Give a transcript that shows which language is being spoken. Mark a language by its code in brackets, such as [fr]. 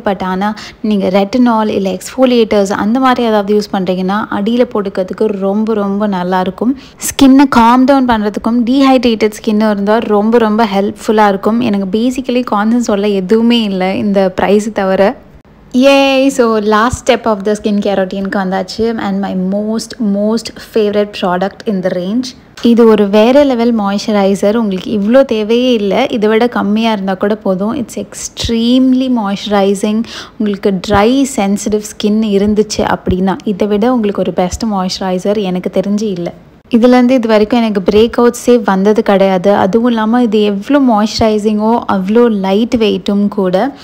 [ta] But ஆனால் நீங்கள் retinal இல்லை எக்ஸ்ஃபோலியேட்டர்ஸ் அந்த மாதிரி ஏதாவது யூஸ் பண்ணுறீங்கன்னா அடியில் போட்டுக்கிறதுக்கு ரொம்ப ரொம்ப நல்லாயிருக்கும். ஸ்கின்னை காம் டவுன் பண்ணுறதுக்கும் டீஹைட்ரேட்டட் ஸ்கின் இருந்தால் ரொம்ப ரொம்ப ஹெல்ப்ஃபுல்லாக இருக்கும். எனக்கு பேசிக்கலி கான்சன்ஸ் சொல்ல எதுவுமே இல்லை இந்த ப்ரைஸு தவிர. Yay! [en] So last step of the skincare routine [ta] ka vandachu, [en] and my most favorite product in the range. [ta] இது ஒரு வேறு லெவல் மாய்ஸ்சரைசர். உங்களுக்கு இவ்வளோ தேவையே இல்லை, இதை விட கம்மியாக இருந்தால் கூட போதும். [en] It's extremely moisturising. [ta] உங்களுக்கு ட்ரை சென்சிட்டிவ் ஸ்கின் இருந்துச்சு அப்படின்னா இதை விட உங்களுக்கு ஒரு பெஸ்ட் மாய்ஸ்சரைசர் எனக்கு தெரிஞ்சு இல்லை. இதுலேருந்து இது வரைக்கும் எனக்கு பிரேக் அவுட்ஸே வந்தது கிடையாது. அதுவும் இல்லாமல் இது எவ்வளோ மாய்ஸ்சரைசிங்கோ அவ்வளோ லைட் வெயிட்டும் கூட.